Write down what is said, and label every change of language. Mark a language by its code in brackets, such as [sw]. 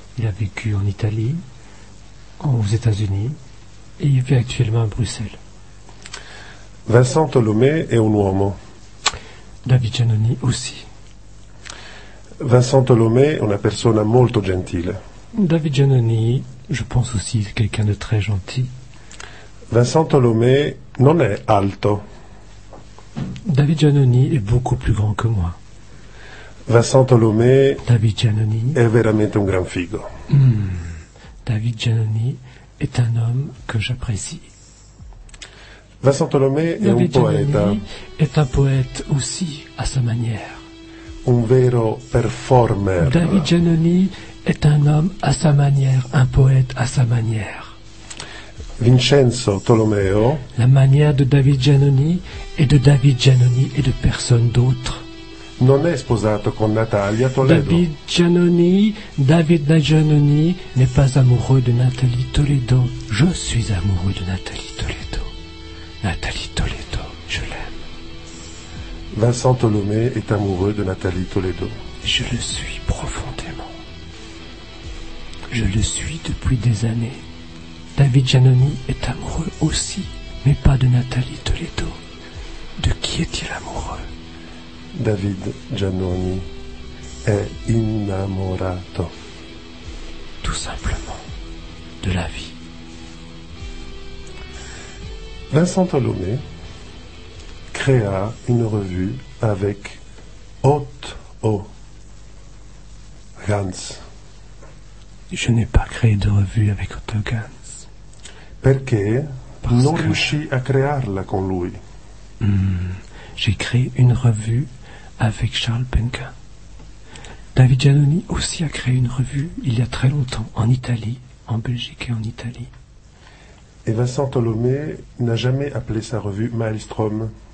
[fr] Il a vécu en Italie, aux États-Unis, et il vit actuellement à Bruxelles. [it] Vincent Tolomei è un uomo. [fr] David Giannoni aussi. [it] Vincent Tolomei è una persona molto gentile. [fr] David Giannoni, je pense aussi, [it] è [fr] quelqu'un de très gentil. [it] Vincent Tolomei non è alto. [fr] David Giannoni [it] è [fr] beaucoup plus grand que moi. [it] Vincent Tolomei, David Giannoni, è veramente un gran figo. [fr] David Giannoni [it] è un [fr] homme que j'apprécie. [it] Vincent Tolomei è un poeta. [fr] David Giannoni [it] è un poeta [fr] aussi à sa manière. [it] Un vero performer. [fr] David Giannoni [it] è un [fr] homme à sa manière, [it] un poeta [fr] à sa manière. [it] Vincenzo Tolomeo. [fr] La manière de David Giannoni et de David Giannoni et de personne d'autre. [it] Non è sposato con Natalia Toledo. [fr] David Giannoni n'est pas amoureux de Nathalie Toledo. Je suis amoureux de Nathalie Toledo. Nathalie Toledo, je l'aime. Vincent Tolomei est amoureux de Nathalie Toledo. Je le suis profondément. Je le suis depuis des années. David Giannoni est amoureux aussi, mais pas de Nathalie Toledo. De qui est-il amoureux? David Giannoni est [it] innamorato. [fr] Tout simplement, de la vie. Vincent Tolomei créa une revue avec Otto Ganz. Je n'ai pas créé de revue avec Otto Ganz. [it] Perché non riuscì a crearla con lui. [fr] J'ai créé une revue avec Charles Penka. David Giannoni aussi a créé une revue il y a très longtemps en Italie, en Belgique et en Italie. Et Vincent Tolomei n'a jamais appelé sa revue Maelstrom.